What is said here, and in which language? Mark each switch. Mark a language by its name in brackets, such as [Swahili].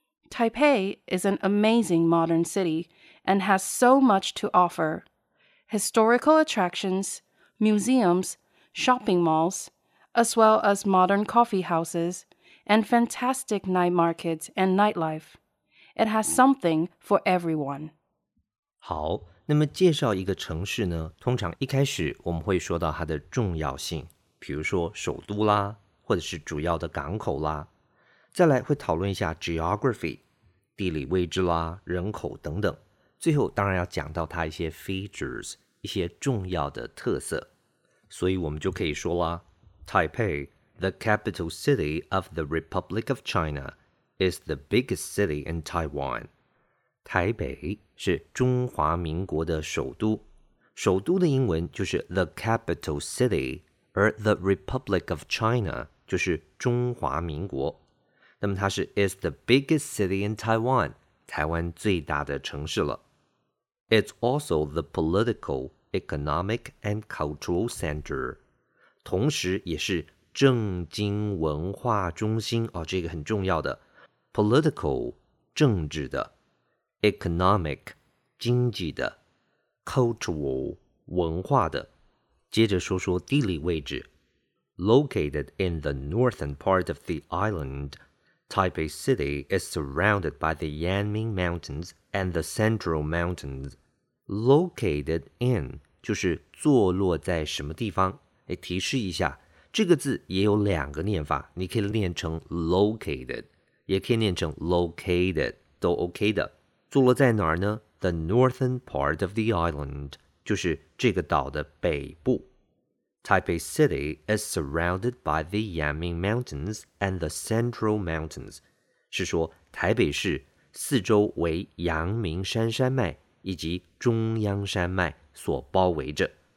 [English] Taipei is an amazing modern city and has so much to offer. Historical attractions, museums, shopping malls, as well as modern coffee houses, and fantastic night markets and nightlife. It has something for everyone. [Chinese] 好，那么介绍一个城市呢，通常一开始我们会说到它的重要性，比如说首都啦，或者是主要的港口啦。再来会讨论一下 geography, 地理位置啦，人口等等。最后当然要讲到它一些 features, 一些重要的特色。所以我们就可以说啦 [English] Taipei, the capital city of the Republic of China, is the biggest city in Taiwan. [Chinese] 台北是中华民国的首都。首都的英文就是 the capital city, 而 the Republic of China 就是中华民国。那么它是 [English] is the biggest city in Taiwan, [Chinese] 台湾最大的城市了。 [English] It's also the political, economic, and cultural center. [Chinese] 同时也是政经文化中心、哦、这个很重要的。 Political, 政治的。Economic, 经济的。 Cultural, 文化的。接着说说地理位置。 [English] Located in the northern part of the island,Taipei City is surrounded by the Yangming Mountains and the Central Mountains. [Chinese] Located in 就是坐落在什么地方？哎，提示一下，这个字也有两个念法，你可以念成 located, 也可以念成 located, 都 OK 的。坐落在哪儿呢？ The northern part of the island 就是这个岛的北部。 [English] Taipei City is surrounded by the Yangming Mountains and the Central Mountains. [Chinese] 是说台北市四周为阳明山山脉以及中央山脉所包围着。